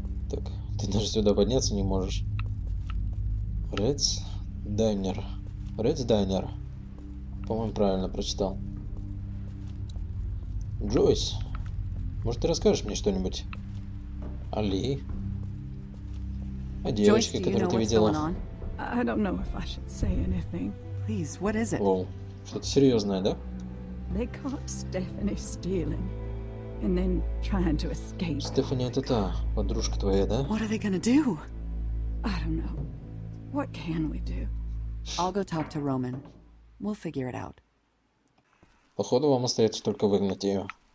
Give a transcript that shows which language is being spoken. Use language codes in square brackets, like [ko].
[ru] Так, ты даже сюда подняться не можешь. Редс Дайнер. Редс Дайнер. По-моему, правильно прочитал. Джойс, может, ты расскажешь мне что-нибудь? О Ли? О девочке, которую ты видела? [en] I don't know if I should say anything. Please, what is it? [ru] О, что-то серьезное, да? [en] They caught Stephanie stealing and then trying to escape. [ru] Стефани, это та подружка твоя, да? [en] What are they gonna do? I don't know. What can we do? I'll go talk to Roman. We'll figure it out. [ru] Походу, вам остается только выгнать ее.